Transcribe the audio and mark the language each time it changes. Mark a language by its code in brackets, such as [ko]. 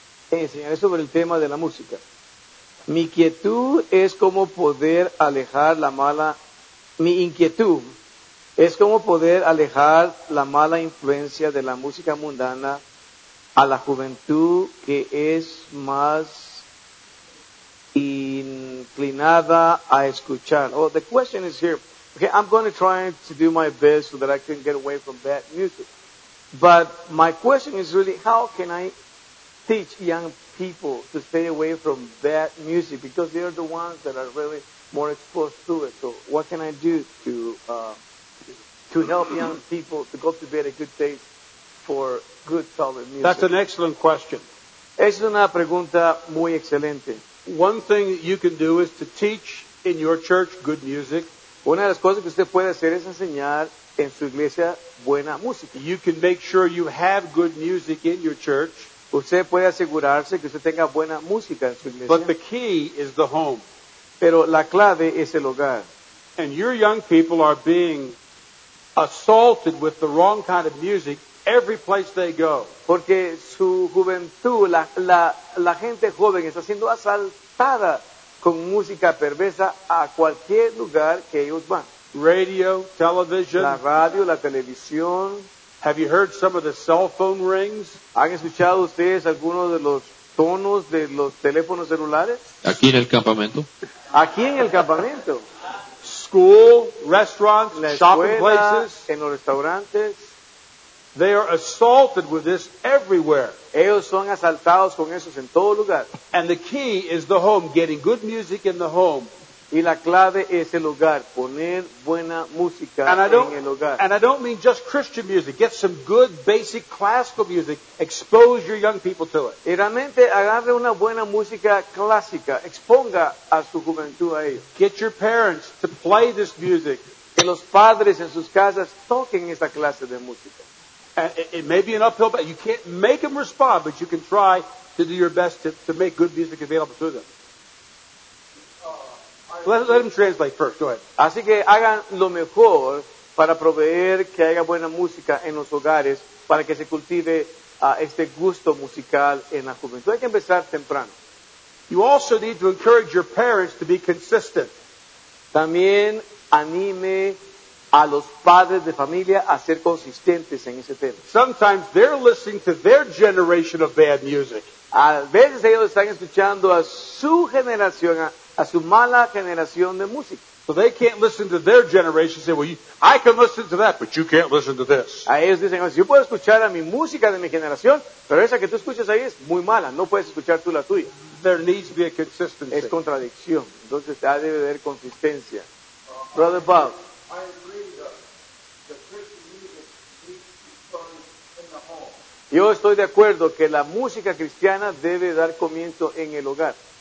[es] Enseñaré sobre el tema de la música. Mi inquietud es cómo poder alejar la mala. Mi inquietud es cómo poder alejar la mala influencia de la música mundana a la juventud que es más inclinada a escuchar. [en] Oh, the question is here. Okay, I'm going to try to do my best so that I can get away from bad music. But my question is really, how can I teach young people to stay away from bad music? Because they are the ones that are really more exposed to it. So what can I do to help young people to cultivate a good taste for good, solid music? That's an excellent question. [es] Es una pregunta muy excelente. [en] One thing you can do is to teach in your church good music. [es] Una de las cosas que usted puede hacer es enseñar en su iglesia buena música. [en] You can make sure you have good music in your church. [es] Usted puede asegurarse que usted tenga buena música en su iglesia. [en] But the key is the home. [es] Pero la clave es el hogar. [en] and your young people are being assaulted with the wrong kind of music every place they go. [es] Porque su juventud, la gente joven está siendo asaltada con música perversa a cualquier lugar que ellos van. [en] Radio, television. [es] La radio, la televisión. [en] Have you heard some of the cell phone rings? [es] ¿Han escuchado ustedes algunos de los tonos de los teléfonos celulares? Aquí en el campamento. Aquí en el campamento. [en] School, restaurants, [es] la escuela, [en] shopping places. [es] En los restaurantes. [en] They are assaulted with this everywhere. [es] Ellos son asaltados con esos en todo lugar. [en] And the key is the home, getting good music in the home. [es] Y la clave es el hogar, poner buena música en el hogar. [en] And I don't mean just Christian music. Get some good, basic classical music. Expose your young people to it. [es] Y realmente agarre una buena música clásica. Exponga a su juventud a ello. [en] Get your parents to play this music. [es] Que los padres en sus casas toquen esta clase de música. [en] And it may be an uphill battle. You can't make them respond, but you can try to do your best to make good music available to them. Let him translate first. Go ahead. [es] Así que hagan lo mejor para proveer que haya buena música en los hogares para que se cultive este gusto musical en la juventud. Hay que empezar temprano. [en] You also need to encourage your parents to be consistent. [es] También anime a los padres de familia a ser consistentes en ese tema. [en] Sometimes they're listening to their generation of bad music. [es] A veces ellos están escuchando a su generación, a su mala generación de música. [en] So they can't listen to their generation and say, well, I can listen to that, but you can't listen to this. [es] A ellos dicen, yo puedo escuchar a mi música de mi generación, pero esa que tú escuchas ahí es muy mala, no puedes escuchar tú la tuya. [en] There needs to be a consistency. [es] Es contradicción. Entonces, ha de haber consistencia. Brother Bob. [en] I agree that the Christian music needs to start in the home. [es] Yo estoy de acuerdo que la música cristiana debe dar comienzo en el hogar.